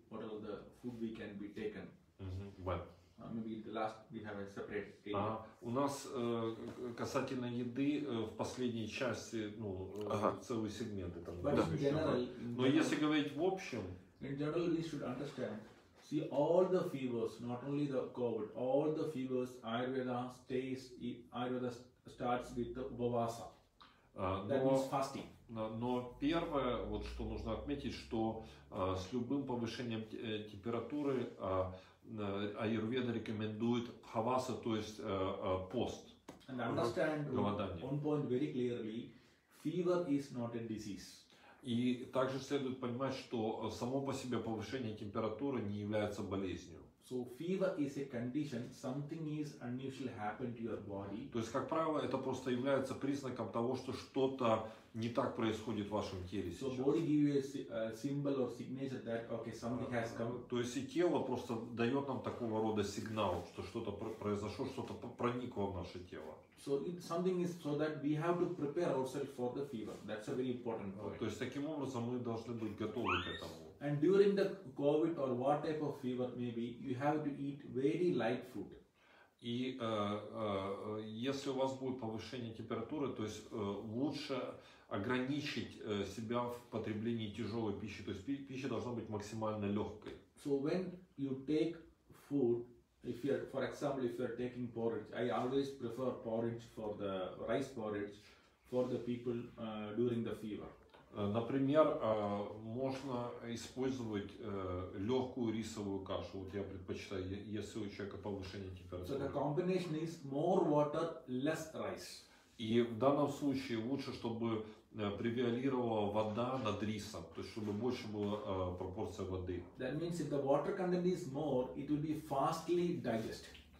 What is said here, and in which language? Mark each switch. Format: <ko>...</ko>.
<en>What are the food we can be taken? Mm-hmm. When? Maybe the last, we have a separate area.</en> <ru>У нас касательно еды в последней части, ну, целый сегмент.</ru> <en>But in general...</en> <ru>Но если говорить в общем...</ru> <en>In general, we should understand. See, all the fevers, not only the COVID, all the fevers, Ayurveda starts with the Upavasa, that means fasting.</en> <ru>Но первое, вот что нужно отметить, что с любым повышением температуры Ayurveda рекомендует Хаваса, то есть пост.</ru> <en>And understand one point very clearly, fever is not a disease.</en> <ru>И также следует понимать, что само по себе повышение температуры не является болезнью.</ru> <en>So fever is a condition. Something is unusual happened to your body.</en> <ru>То есть, как правило, это просто является признаком того, что что-то не так происходит в вашем теле.</ru> <en>So body gives you a symbol or signature that okay, something has come.</en> <ru>То есть, и тело просто дает нам такого рода сигнал, что что-то произошло, что-то проникло в наше тело.</ru> <en>So it, something is so that we have to prepare ourselves for the fever. That's a very important point.</en> <ru>То есть, таким образом, мы должны быть готовы к этому.</ru> <en>And during the COVID or what type of fever maybe you have to eat very light food.</en> <ru>И если у вас будет повышение температуры, то есть лучше ограничить себя в потреблении тяжелой пищи. То есть пища должна быть максимально легкой.</ru> <en>So when you take food, if you're, for example, if you're taking porridge, I always prefer porridge for the rice porridge for the people during the fever.</en> <ru>Например, можно использовать легкую рисовую кашу. Вот я предпочитаю, если у человека повышение температуры.</ru> <en>So the combination is more water, less rice.</en> <ru>И в данном случае лучше, чтобы превалировала вода над рисом, то есть чтобы больше была пропорция воды.</ru> <en>That means if the water content is more, it will be fastly digested.</en>